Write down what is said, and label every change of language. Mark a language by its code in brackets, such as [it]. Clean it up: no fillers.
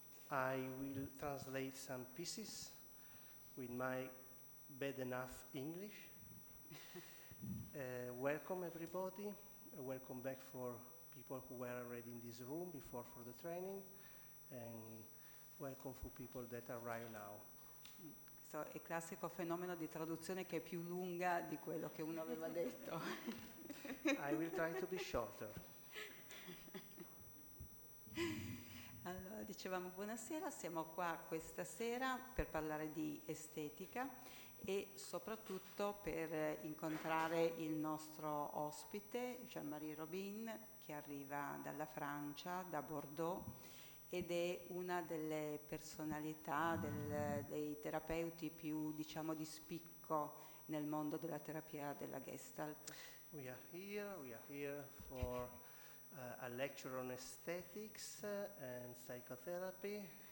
[en] I will translate some pieces with my bad enough English. Welcome everybody. Welcome back for people who were already in this room before for the training, and welcome for people that arrive now. [it] Questo è il classico fenomeno di traduzione che è più lunga di quello che uno aveva detto. [en] I will try to be shorter. [it] Allora, dicevamo buonasera, siamo qua questa sera per parlare di estetica e soprattutto per incontrare il nostro ospite Jean-Marie Robin, che arriva dalla Francia, da Bordeaux, ed è una delle personalità dei terapeuti più, diciamo, di spicco nel mondo della terapia della Gestalt. [en] We are here for a lecture on aesthetics and psychotherapy.